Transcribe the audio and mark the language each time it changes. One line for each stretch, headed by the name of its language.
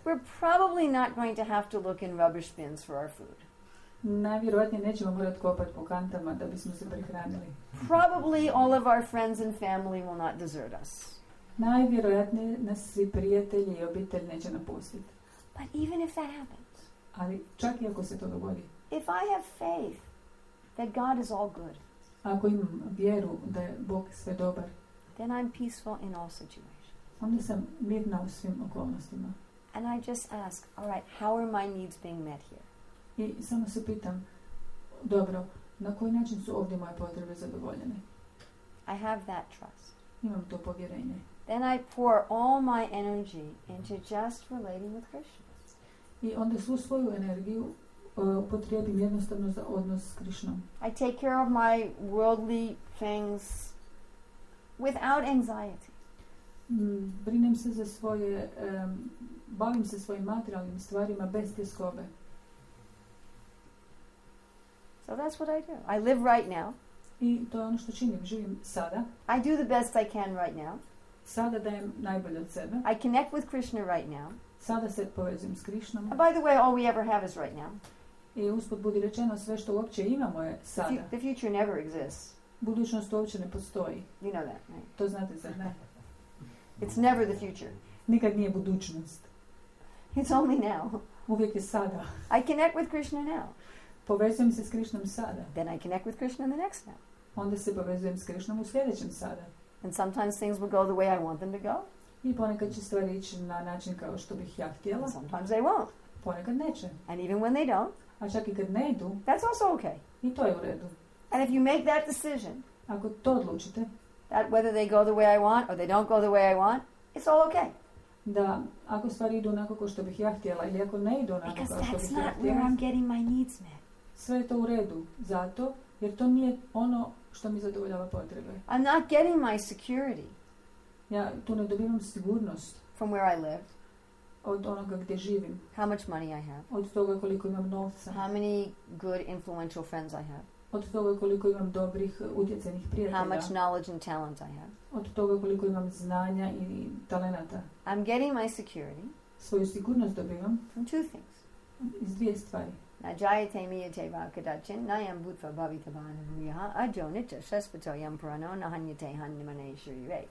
English: We're probably not going to have to look in rubbish bins for our food.
Croatian: Najvjerojatnije nećemo morati kopati po kantama da bismo se prehranili.
English: Probably all of our friends and family will not desert us.
Croatian: Najvjerojatnije nas svi prijatelji i obitelj neće napustiti.
English: But even if that happens,
Croatian: ali čak i ako se to dogodi,
English: if I have faith that God is all good,
Croatian: ako imam vjeru da je Bog sve dobar,
English: then I'm peaceful in all situations.
Croatian: Onda sam mirna u svim okolnostima.
English: And I just ask, all right, how are my needs being met here?
Croatian: I samo se pitam, dobro, na koji način su ovdje moje potrebe zadovoljene?
English: I have that trust.
Croatian: Imam to povjerenje.
English: Then I pour all my energy into just relating with Krishna.
Croatian: I onda svu svoju energiju upotrijebim jednostavno za odnos s Krishnom.
English: I take care of my worldly things without anxiety.
Croatian: Brinem se za svoje, bavim se svojim materijalnim stvarima bez tjeskobe.
English: So that's what I do. I live right now.
Croatian: I to je ono što činim, živim sada.
English: I do the best I can right now.
Croatian: Sada dajem najbolje od sebe.
English: I connect with Krishna right now.
Croatian: Sada se povezim s Krishnom.
English: And by the way, all we ever have is right now.
Croatian: I usput budi rečeno, sve što uopće imamo je sada.
English: The future never exists.
Croatian: Budućnost uopće ne postoji.
English: You know that, right?
Croatian: To znate, zar ne?
English: It's never the future.
Croatian: Nikad nije budućnost.
English: It's only now.
Croatian: Uvijek je sada.
English: I connect with Krishna now.
Croatian: Povezujem se s Krishnom sada.
English: Then I connect with Krishna in the next now.
Croatian: Onda se povezujem s Krishnom u sljedećem sada.
English: And sometimes things will go the way I want them to go.
Croatian: I ponekad će stvari ići na način kao što bih ja htjela.
English: And sometimes they won't.
Croatian: Ponekad neće.
English: And even when they don't.
Croatian: A čak i kad ne idu.
English: That's also okay.
Croatian: I to je u redu.
English: And if you make that decision.
Croatian: Ako to odlučite.
English: That whether they go the way I want or they don't go the way I want, it's all okay.
Croatian: Da, ako stvari idu onako kao što bih ja htjela ili ako ne idu onako kao što bih ja htjela.
English: Because that's not where I'm getting my needs met.
Croatian: Sve je to u redu, zato jer to nije ono što mi zadovoljava potrebe.
English: I'm not getting my security.
Croatian: Ja tu ne dobivam sigurnost.
English: From where I live.
Croatian: Od onoga gdje živim.
English: How much money I have.
Croatian: Od toga koliko imam novca.
English: How many good influential friends I have.
Croatian: Od toga koliko imam dobrih utjecajnih prijatelja.
English: How much knowledge and talent I have.
Croatian: Od toga koliko imam znanja i talenata.
English: I'm getting my security.
Croatian: Svoju sigurnost dobivam.
English: From two things.
Croatian: Iz dvije stvari.
Sanskrit: Najajate miyate vakadachin nayam bhutva bhavita bhanuriha ajonita shaspatoyam prano nahanyate hanimane shrive.